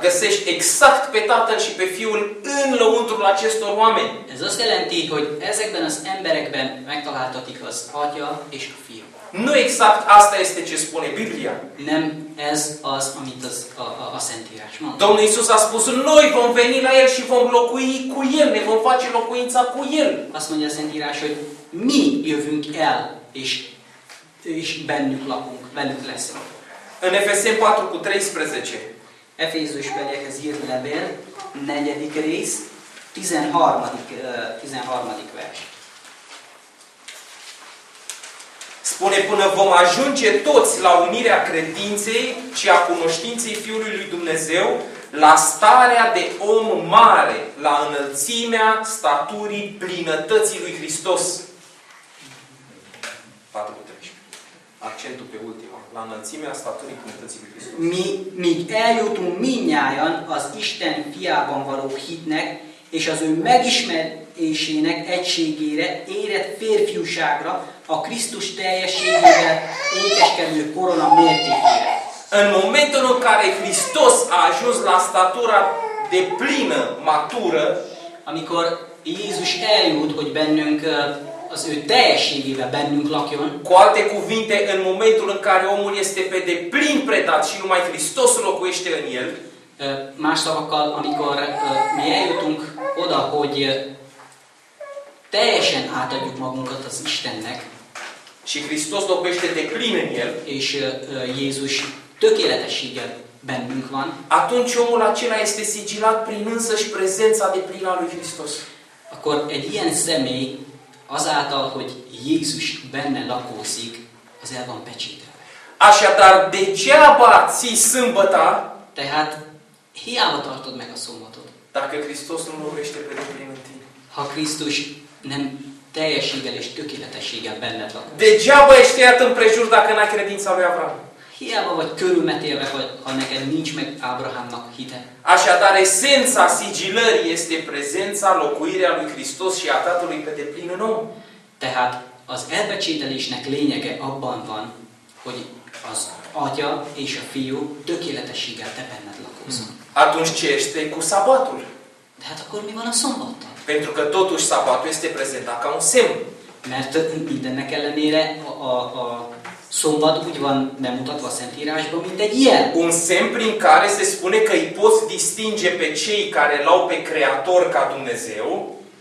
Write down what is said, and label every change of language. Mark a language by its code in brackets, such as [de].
[ro] Găsești exact pe tatăl și pe fiul în lăuntrul acestor oameni. [hu] Ez azt jelenti, hogy ezekben az emberekben megtaláltatik az atya és a fiú. [ro] Nu exact asta este ce spune Biblia. [hu] Nem ez az, amit a Szentírás mond. [ro] Domnul Iisus a spus, noi vom veni la el și vom locui cu el, ne vom face locuința cu el. [hu] Azt mondja a Szentírás, hogy mi jövünk el, és bennük lakunk, bennük leszünk. [ro] În Efeseni 4:13. [hu] Efézus beliekhez írt levél, 4. rész, 13. vers. [ro] Spune, până vom ajunge toți la unirea credinței și a cunoștinței Fiului lui Dumnezeu, la starea de om mare, la înălțimea staturii plinătății lui Hristos. 4:13. Accentul pe ultima. La înălțimea staturii plinătății lui Hristos. [hu] Míg eljutunk mindnyájan az Isten fiában való hitnek, és az ő megismerésének egységére, érett férfiúságra, a Krisztus teljességével ékeskedő korona mértékére. [ro] În momentul în care Hristos a ajuns la statura de plină, matură, [hu] amikor Jézus eljut, hogy bennünk az ő teljességével bennünk lakjon. [ro] Cu alte cuvinte, în momentul în care omul este pe deplin predat și numai Hristos locuiește în el. [hu] Más szavakkal, amikor mi eljutunk oda, hogy teljesen átadjuk magunkat az Istennek. [ro] Și Hristos locuiește deplin în el. [hu] És Jézus tökéletességgel bennünk van. [ro] Atunci omul acela este sigilat prin însăși prezența deplină a lui Hristos. [hu] Akkor egy ilyen személy azáltal, hogy Jézus benne lakózik, az el van pecsételve. [ro] Așadar, degeaba ții sâmbăta, [hu] tehát hiába tartod meg a szombatot. [ro] Dacă Hristos nu locuiește pe deplin în tine. [hu] Ha Krisztus nem teljességgel és tökéletességgel benned lakózik. [ro] Degeaba ești iert împrejur dacă n-ai credința lui Avram. [hu] Hiába vagy körülmetélve, ha neked nincs meg Ábrahámnak hite. [ro] Așadar, esența sigilării este prezența, locuirea lui Hristos și a Tatălui pe deplin în om. [hu] Tehát az elpecsételésnek lényege abban van, hogy az Atya és a Fiú tökéletességgel te benned lakózik. [ro] Atunci ce este cu sabatul? [hu] Tehát akkor mi van a szombattal? [ro] Pentru că totuși sabatul este prezentat ca un semn. [hu] Mert mindennek ellenére a szombat úgy van bemutatva a Szentírásban, mint egy jel. [ro] Un semn prin care se spune că îi poți distinge pe cei care l-au pe Creator ca Dumnezeu.